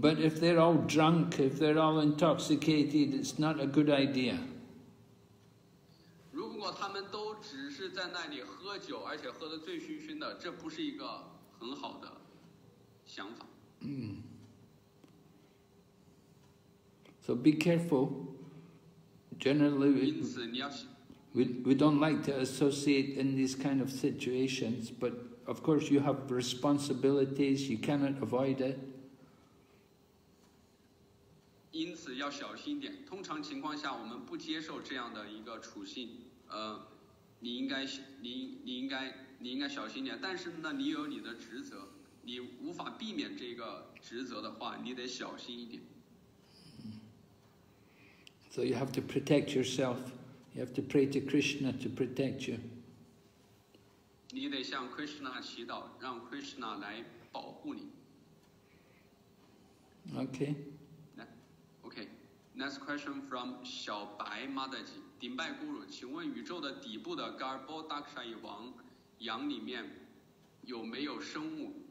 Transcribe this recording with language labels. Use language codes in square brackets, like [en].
[en] But if they're all drunk, if they're all intoxicated, it's not a good idea. [zh] 如果他们都只是在那里喝酒，而且喝得醉醺醺的，这不是一个很好的想法。 [en] So be careful. Generally, we don't like to associate in these kind of situations, but of course you have responsibilities, you cannot avoid it. [zh] 要小心一点。通常情况下，我们不接受这样的一个处境。你应该小心一点。但是呢，你有你的职责，你无法避免这个职责的话，你得小心一点。 [en] So you have to protect yourself. You have to pray to Krishna to protect you. [zh] 你得向 Krishna 祈祷，让 Krishna 来保护你。 [en] Okay. Okay. Next question from [zh] 小白 Mataji 顶拜咕噜，请问宇宙的底部的 Garbhodakshayi 王羊里面有没有生物？